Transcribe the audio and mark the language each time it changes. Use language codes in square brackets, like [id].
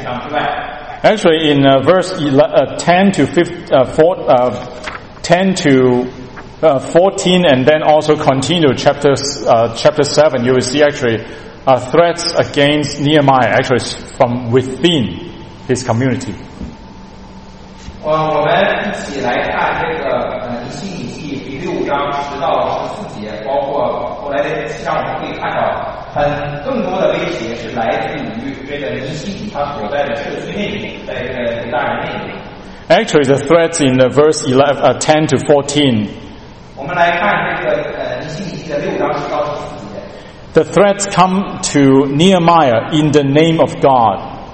[en] Actually, in verse 10 to 14, and then also continue chapter 7, you will see actually threats against Nehemiah, actually from within his community. [zh] 我们来一起来看这个尼希米记第六章十到十四节，包括后来的七章，我们可以看到很更多的威胁是来自于这个尼希米他所在的社区内，在这个犹大人内。 [en] Actually, the threats in the verse 10 to 14. [zh] 我们来看这个尼希米记的六章十到十四节。 [en] The threats come to Nehemiah in the name of God.